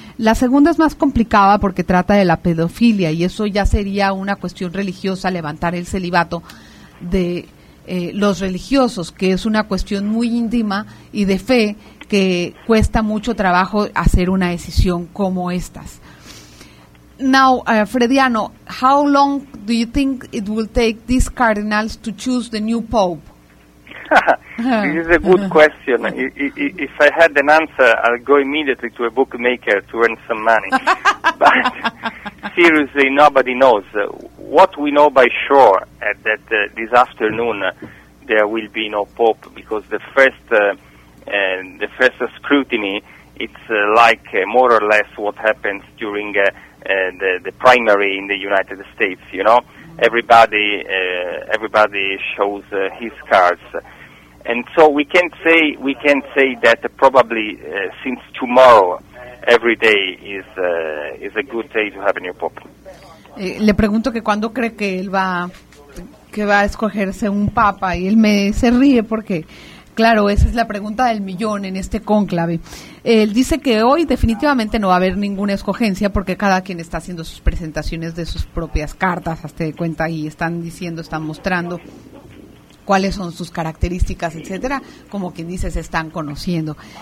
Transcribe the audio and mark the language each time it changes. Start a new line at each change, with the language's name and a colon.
Spanish: La segunda es más complicada porque trata de la pedofilia, y eso ya sería una cuestión religiosa, levantar el celibato de los religiosos, que es una cuestión muy íntima y de fe, que cuesta mucho trabajo hacer una decisión como estas.
English: Now, Frediano, how long do you think it will take these cardinals to choose the new pope? This is a good question. If I had an answer, I'd go immediately to a bookmaker to earn some money. But seriously, nobody knows. What we know by sure is that this afternoon there will be no pope, because the first scrutiny, it's like more or less what happens during the primary in the United States. You know, everybody shows his cards, and so we can say that probably since tomorrow, every day is a good day to have a new pope.
Spanish: Le pregunto que cuándo cree que él va a escogerse un papa, y él se ríe porque, claro, esa es la pregunta del millón en este cónclave. Él dice que hoy definitivamente no va a haber ninguna escogencia porque cada quien está haciendo sus presentaciones de sus propias cartas, hazte de cuenta, y están mostrando cuáles son sus características, etcétera, como quien dice, se están conociendo.